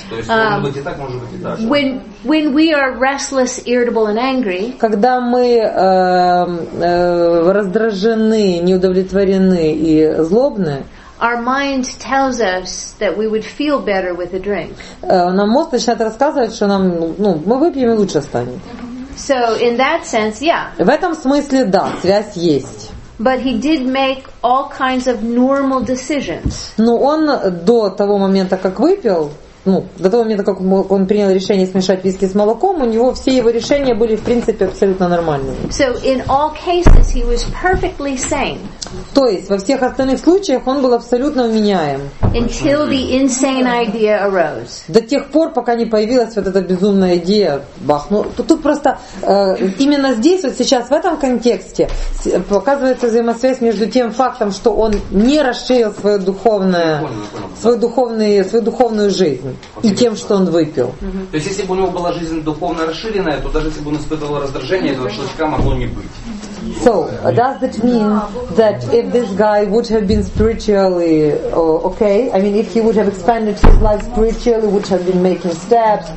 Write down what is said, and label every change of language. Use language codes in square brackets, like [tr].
[ru] То есть может быть и так, может быть и так. [en] When we are restless, irritable and angry. [ru] Когда мы раздражены, неудовлетворены и злобны. [en] Our mind tells us that we would feel better with a drink. [ru] Нам мозг начинает рассказывать, что нам, ну, мы выпьем и лучше станет. [en] So in that sense, yeah. [ru] В этом смысле да, связь есть. [en] But he did make all kinds of normal decisions. [ru] Но он до того момента, как выпил, ну, до того момента, как он принял решение смешать виски с молоком, у него все его решения были, в принципе, абсолютно нормальными. [en] So in all cases he was perfectly sane. [ru] То есть во всех остальных случаях он был абсолютно вменяем. [en] Until the insane idea arose. [ru] До тех пор, пока не появилась вот эта безумная идея, бах. Ну, тут просто именно здесь, вот сейчас, в этом контексте, показывается взаимосвязь между тем фактом, что он не расширил свое духовное, свою духовную жизнь. И тем, что он выпил. То есть, если бы у него была жизнь духовно расширенная, то даже если бы он испытывал раздражение, этого щелчка могло не быть. [en] So, does that mean that if this guy would have been spiritually okay, I mean, if he would have expanded his life spiritually, would have been making steps,